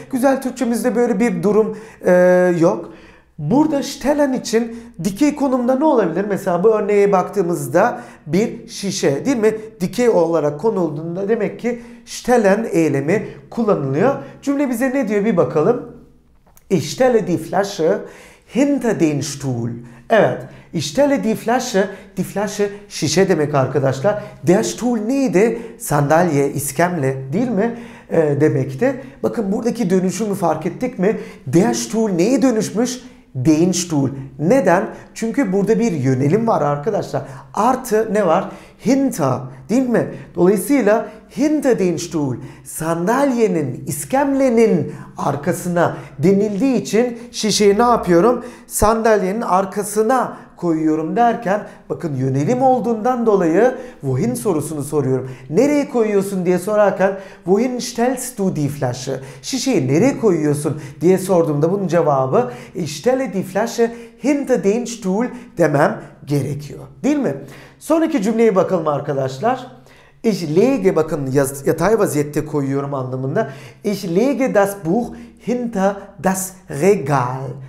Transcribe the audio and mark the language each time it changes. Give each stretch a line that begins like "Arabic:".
Turkish: Güzel Türkçemizde böyle bir durum yok. Burada stellen için dikey konumda ne olabilir? Mesela bu örneğe baktığımızda bir şişe değil mi? Dikey olarak konulduğunda demek ki stellen eylemi kullanılıyor. Cümle bize ne diyor bir bakalım.
German: Ich stelle die Flasche hinter den Stuhl. Evet. Ich stelle die Flasche. Die Flasche
Turkish: şişe demek arkadaşlar.
German: Der Stuhl
Turkish: neydi? Sandalye, iskemle değil mi? Demekti. Bakın buradaki dönüşümü fark ettik mi?
German: Der Stuhl
Turkish: neye dönüşmüş?
German: Den Stuhl.
Turkish: Neden? Çünkü burada bir yönelim var arkadaşlar. Artı ne var? Hinter değil mi? Dolayısıyla
German: hinter den Stuhl
Turkish: sandalyenin, iskemlenin arkasına denildiği için şişeyi ne yapıyorum? Sandalyenin arkasına koyuyorum derken bakın yönelim olduğundan dolayı wohin sorusunu soruyorum. Nereye koyuyorsun diye sorarken
German: wohin stellst du die Flasche?
Turkish: Şişeyi nereye koyuyorsun diye sorduğumda bunun cevabı
German: ich stelle die Flasche hinter den Stuhl
Turkish: demem gerekiyor. Değil mi? Sonraki cümleye bakalım arkadaşlar.
German: Ich lege
Turkish: bakın yatay vaziyette koyuyorum anlamında.
German: Ich lege das Buch hinter das Regal.